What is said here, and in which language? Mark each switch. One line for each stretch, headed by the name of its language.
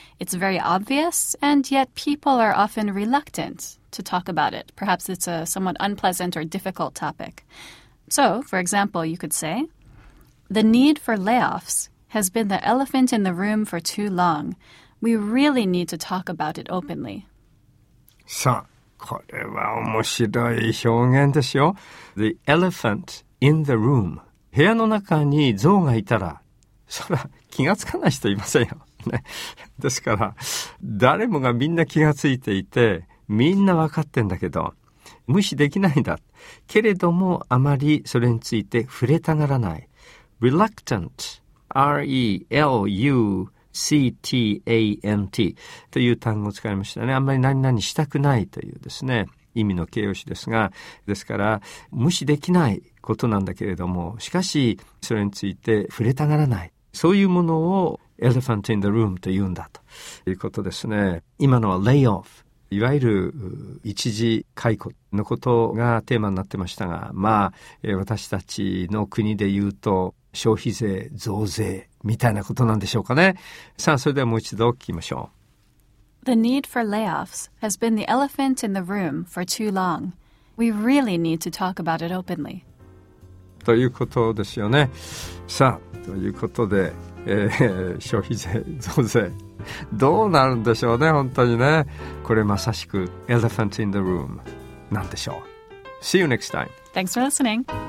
English: It's very obvious, and yet people are often reluctant to talk about it. Perhaps it's a somewhat unpleasant or difficult topic. So, for example, you could say,The need for layoffs has been the elephant in the room for too long. We really need to talk about it openly.
Japanese: さあ、これは面白い表現ですよ。
English: The elephant in the room.
Japanese: 部屋の中に象がいたら、そら気がつかない人いませんよ。ですから、誰もがみんな気がついていて、みんなわかってんだけど、無視できないんだ。けれども、あまりそれについて触れたがらない。 reluctant, R-E-L-U-C-T-A-N-T という単語を使いましたね。あんまり何々したくないというですね、意味の形容詞ですが、ですから無視できないことなんだけれども、しかしそれについて触れたがらない、そういうものをエレファント・イン・ザ・ルームと言うんだということですね。今のはレイオフ、いわゆる一時解雇のことがテーマになってましたが、まあ私たちの国で言うと消費税増税みたいなことなんでしょうかね。さあ、それではもう一度聞きましょう。
English: The need for layoffs has been the elephant in the room for too long. We really need to talk about it openly.
Japanese: ということですよね。さあ、ということで、消費税増税どうなるんでしょうね、本当にね。これまさしく
English: elephant in the room
Japanese: なんでしょう。
English: See you next time. Thanks for listening.